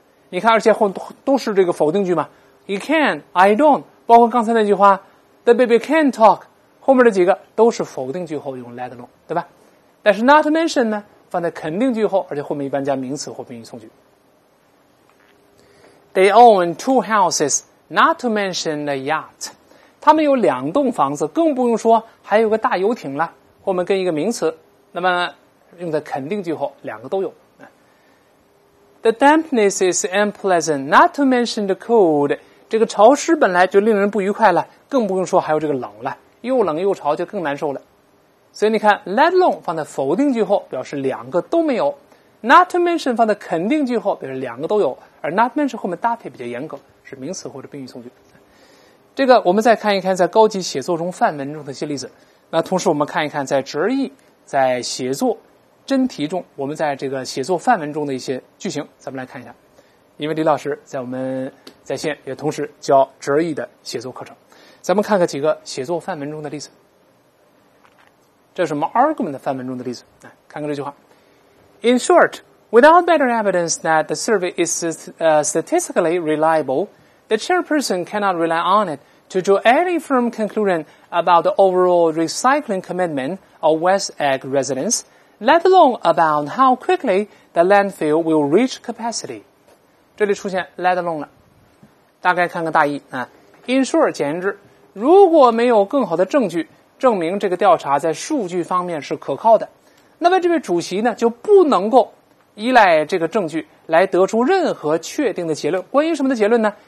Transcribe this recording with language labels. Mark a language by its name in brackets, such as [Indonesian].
[Chinese] 你看，而且后都是这个否定句嘛 ， [English] He can, I don't， [Chinese] 包括刚才那句话 ， [English] The baby can talk， [Chinese] 后面这几个都是否定句后用 let alone， 对吧？但是 not mention 呢？放在肯定句后，而且后面一般加名词或宾语从句。 [English] They own two houses, not to mention a yacht. [Chinese] 他们有两栋房子，更不用说还有个大游艇了。后面跟一个名词，那么用在肯定句后，两个都有。 [English] The dampness is unpleasant, not to mention the cold. [Chinese] 这个潮湿本来就令人不愉快了，更不用说还有这个冷了，又冷又潮就更难受了。所以你看 let alone 放在否定句后表示两个都没有， not to mention 放在肯定句后表示两个都有，而 not mention 后面搭配比较严格，是名词或者宾语从句。这个我们再看一看在高级写作中范文中的一些例子，那同时我们看一看在直译在写作真题中我们在这个写作范文中的一些句型，咱们来看一下。因为李老师在我们在线也同时教直译的写作课程，咱们看看几个写作范文中的例子。这是什么 argument 的范文中的例子，来看看这句话。 [English] In short, without better evidence that the survey is statistically reliable, the chairperson cannot rely on it to draw any firm conclusion about the overall recycling commitment of West Egg residents, let alone about how quickly the landfill will reach capacity. [Chinese] 这里出现 let alone 了。大概看看大意啊。 In short, 简言之，如果没有更好的证据证明这个调查在数据方面是可靠的，那么这位主席呢就不能够依赖这个证据来得出任何确定的结论。关于什么的结论呢？